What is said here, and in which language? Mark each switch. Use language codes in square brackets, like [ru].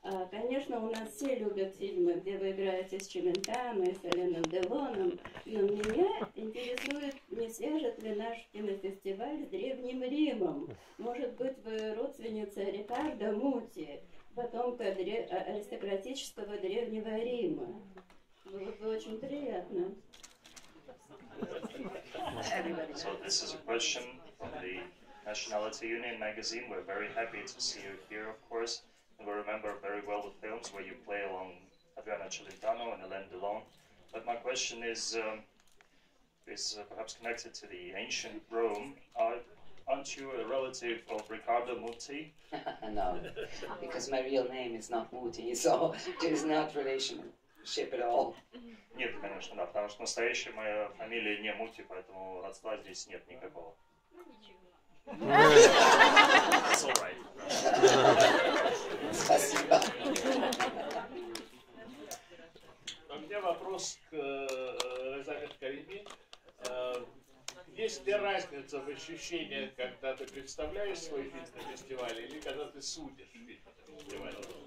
[ru] Конечно, у нас все любят фильмы, где вы играете с Чементамо и с Аленом Делоном, но меня интересует, не свяжет ли наш кинофестиваль с Древним Римом. Может быть, вы родственница Рикардо Мути, потомка аристократического Древнего Рима. Было бы очень приятно. [en] So this is a question from the Nationality Union magazine. We're very happy to see you here, of course. We remember very well the films where you play along Adriano Celentano and Alain Delon. But my question is perhaps connected to the ancient Rome. Aren't you a relative of Riccardo Muti? No, because my real name is not Muti, so there is not relationship at all. [ru] Нет, конечно, да, потому что настоящая моя фамилия не Мути, поэтому родства здесь нет никакого. [en] It's all right. [ru] Спасибо. У меня вопрос к Резахат Карими. Есть ли разница в ощущениях, когда ты представляешь свой фильм на фестивале, или когда ты судишь фильм на фестивале?